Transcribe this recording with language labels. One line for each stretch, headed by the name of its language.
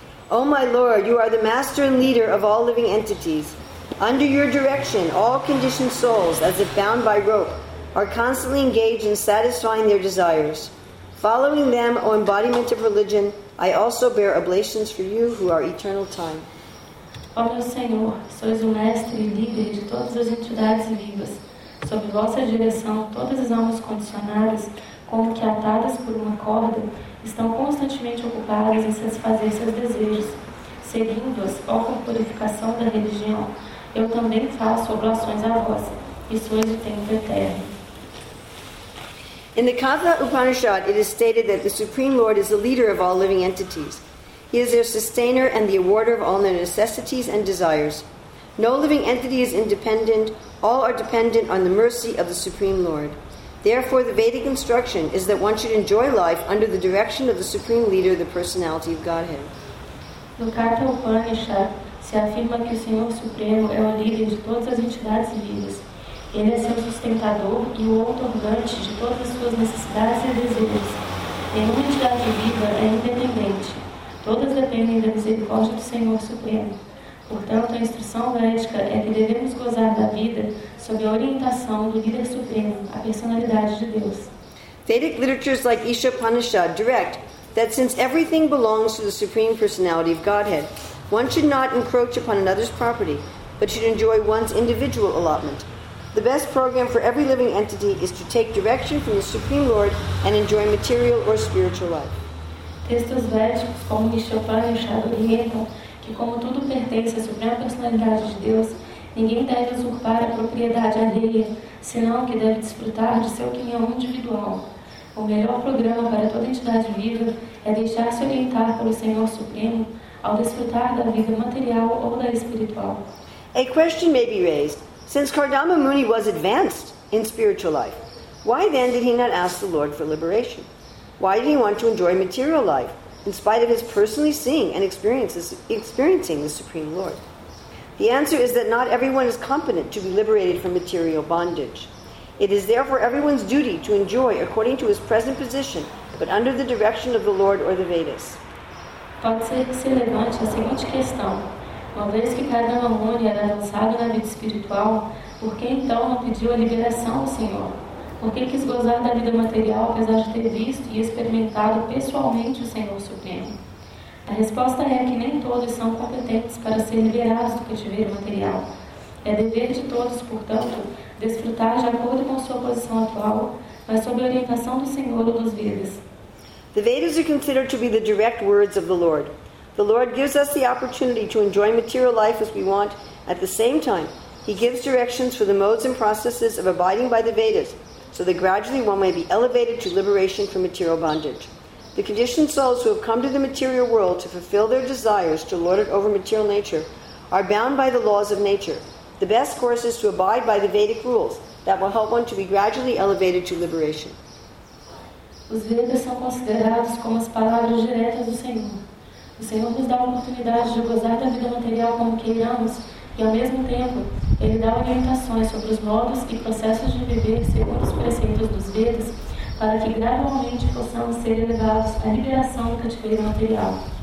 English: O my Lord, you are the master and leader of all living entities. Under your direction, all conditioned souls, as if bound by rope, are constantly engaged in satisfying their desires. Following them, O embodiment of religion, I also bear oblations for you who are eternal time.
Portuguese: Ó meu Senhor, sois o mestre e líder de todas as entidades vivas. Sob vossa direção, todas as almas condicionadas, como que atadas por uma corda, estão constantemente ocupadas em satisfazer seus desejos. Seguindo-as, ó purificação da religião, eu também faço oblações a vós, e sois o tempo eterno.
English: In the Katha Upanishad, it is stated that the Supreme Lord is the leader of all living entities. He is their sustainer and the awarder of all their necessities and desires. No living entity is independent. All are dependent on the mercy of the Supreme Lord. Therefore, the Vedic instruction is that one should enjoy life under the direction of the Supreme Leader, the Personality of Godhead.
Portuguese: No Katha Upanishad, se afirma que o Senhor Supremo é o líder de todas as entidades vivas. Ele é seu sustentador e o outorgante de todas as suas necessidades e desejos. Nenhuma entidade viva é independente. Todas dependem da misericórdia do Senhor Supremo. Portanto, a instrução védica é que devemos gozar da vida sob a orientação do líder supremo, a personalidade de Deus.
English: Vedic literatures like Isha Upanishad direct that since everything belongs to the Supreme Personality of Godhead, one should not encroach upon another's property, but should enjoy one's individual allotment. The best program for every living entity is to take direction from the Supreme Lord and enjoy material or spiritual life.
Portuguese: Textos védicos como Isha Upanishad orientam que como tudo pertence à Suprema Personalidade de Deus, ninguém deve usurpar a propriedade alheia, senão que deve desfrutar de seu quinhão individual. O melhor programa para toda entidade viva é deixar-se orientar pelo Senhor Supremo ao desfrutar da vida material ou da espiritual.
English: A question may be raised. Since Kardama Muni was advanced in spiritual life, why then did he not ask the Lord for liberation? Why did he want to enjoy material life in spite of his personally seeing and experiencing the Supreme Lord? The answer is that not everyone is competent to be liberated from material bondage. It is therefore everyone's duty to enjoy according to his present position, but under the direction of the Lord or the Vedas.
Portuguese: Pode ser que se levante a seguinte questão. Uma vez que Kardama Muni era avançado na vida espiritual, por que então não pediu a liberação ao Senhor? Por que quis gozar da vida material apesar de ter visto e experimentado pessoalmente o Senhor Supremo? A resposta é que nem todos são competentes para ser liberados do cativeiro material. É dever de todos, portanto, desfrutar de acordo com sua posição atual, mas sob a orientação do Senhor ou dos Vedas.
English: The Vedas are considered to be the direct words of the Lord. The Lord gives us the opportunity to enjoy material life as we want. At the same time, he gives directions for the modes and processes of abiding by the Vedas, so that gradually one may be elevated to liberation from material bondage. The conditioned souls who have come to the material world to fulfill their desires to lord it over material nature are bound by the laws of nature. The best course is to abide by the Vedic rules that will help one to be gradually elevated to liberation.
Portuguese: Os Vedas são considerados como as palavras diretas do Senhor. O Senhor nos dá a oportunidade de gozar da vida material como queiramos e, ao mesmo tempo, Ele dá orientações sobre os modos e processos de viver segundo os preceitos dos Vedas para que gradualmente possamos ser elevados à liberação do cativeiro material.